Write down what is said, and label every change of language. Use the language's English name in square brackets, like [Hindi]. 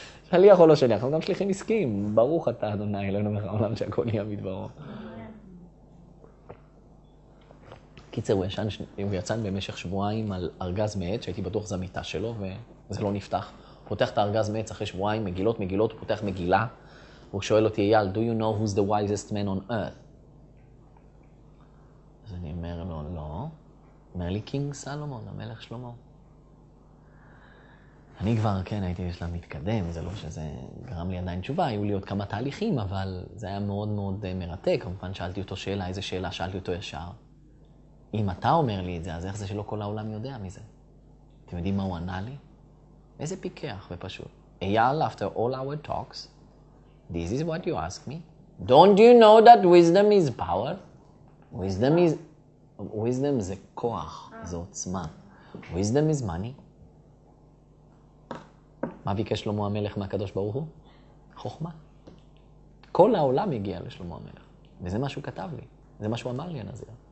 [Hebrew] שליח או לא שליח, אנחנו גם שליחים עסקיים. ברוך אתה, אדוני, אלינו מהעולם שהכל יהיה מדברו. קיצר, הוא יצא במשך שבועיים על ארגז מעץ, שהייתי בטוח זו המיטה שלו, וזה לא נפתח. פותח את הארגז מעץ אחרי שבועיים, מגילות, הוא פותח מגילה. הוא שואל אותי, אייל, [English] do you know who's the wisest man on earth? [Hebrew] אז אני אומר לו, לא. אומר לי, קינג סלומון, המלך שלמה. אני כבר, כן, הייתי בשלב מתקדם, זה לא שזה גרם לי עדיין תשובה, היו לי עוד כמה תהליכים, אבל זה היה מאוד מאוד מרתק. כמובן שאלתי אותו שאלה, איזה שאלה שאלתי אותו ישר. אם אתה אומר לי את זה, אז איך זה שלא כל העולם יודע מזה? אתם יודעים מה הוא ענה לי? איזה פיקח ופשוט. [English] אייל, after all our talks, this is what you ask me. Don't you know that wisdom is power? Wisdom is... [Hebrew] wisdom זה כוח, זה עוצמה. [English] Wisdom is money. [Hebrew] מה ביקש שלמה המלך מהקדוש ברוך הוא? חוכמה. כל העולם הגיע לשלמה המלך. וזה מה שהוא כתב לי. זה מה שהוא אמר לי הנזיר.